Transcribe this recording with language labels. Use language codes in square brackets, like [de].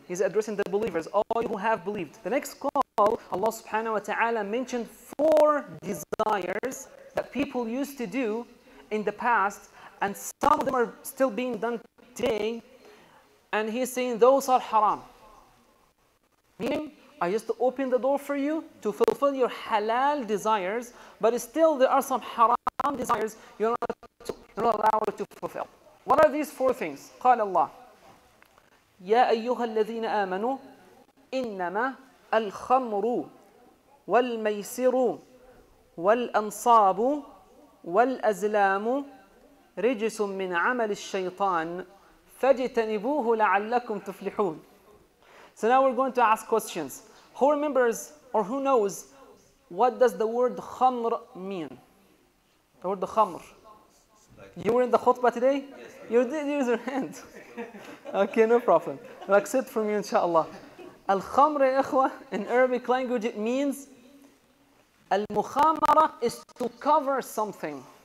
[en] He's addressing the believers, all you who have believed. The next call, Allah subhanahu wa ta'ala mentioned 4 desires that people used to do in the past, and some of them are still being done today, and he's saying those are haram. Meaning, I just opened the door for you to fulfill your halal desires, but still there are some haram desires you're not allowed to fulfill. What are these 4 things? [ar] قال الله يا أيها الذين آمنوا إنما الخمر والميسر والأنصاب والأزلام رجس من عمل الشيطان فاجتنبوه لعلكم تفلحون. [en] So now we're going to ask questions. Who remembers or who knows what does the word khamr mean? The word khamr. You were in the khutbah today? Yes, you did use your hand. Okay, no problem. I'll accept from you, inshallah. Al-khamr, ikhwa, in Arabic language, it means al-mukhamara is to cover something.